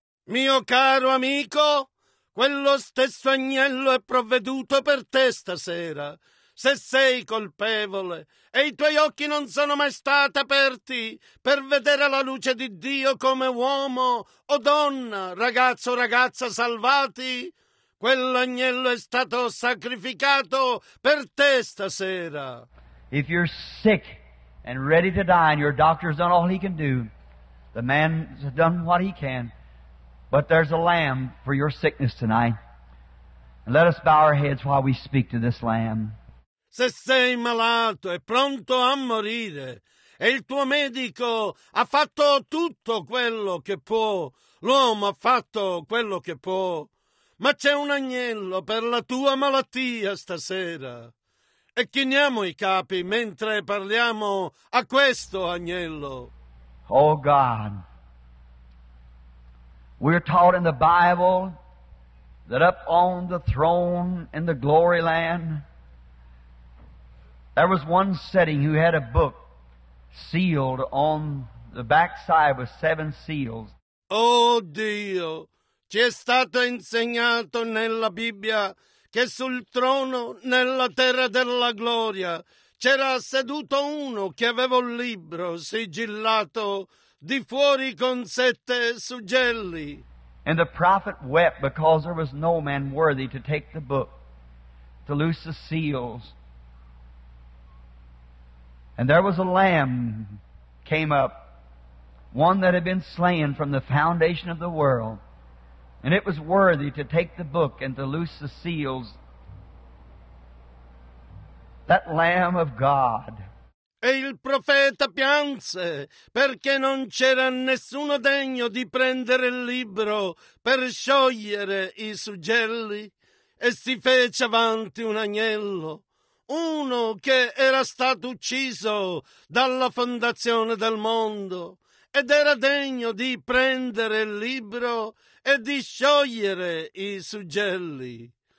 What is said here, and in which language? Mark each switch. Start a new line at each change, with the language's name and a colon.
Italian: Mio caro amico, quello stesso agnello è provveduto per te stasera. Se sei colpevole e i tuoi occhi non sono mai stati aperti per vedere la luce di Dio come uomo o donna, ragazzo o ragazza salvati, quell'agnello è stato sacrificato per te stasera.
English: If you're sick and ready to die and your doctor's done all he can do, the man's done what he can, but there's a lamb for your sickness tonight. Let us bow our heads while we speak to this lamb.
Italian: Se sei malato e pronto a morire, e il tuo medico ha fatto tutto quello che può, l'uomo ha fatto quello che può, ma c'è un agnello per la tua malattia stasera. E chiniamo i capi mentre parliamo a questo agnello.
English: Oh God, we're taught in the Bible that up on the throne in the glory land, there was one sitting who had a book sealed on the backside with seven seals.
Italian: Oh Dio, ci è stato insegnato nella Bibbia che sul trono nella terra della gloria c'era seduto uno che aveva un libro sigillato di fuori con sette suggelli.
English: And the prophet wept because there was no man worthy to take the book, to loose the seals. And there was a lamb came up, one that had been slain from the foundation of the world. And it was worthy to take the book and to loose the seals. That Lamb of God.
Italian: E il profeta pianse perché non c'era nessuno degno di prendere il libro per sciogliere i suggelli e si fece avanti un agnello, uno che era stato ucciso dalla fondazione del mondo ed era degno di prendere il libro e di sciogliere i suggelli.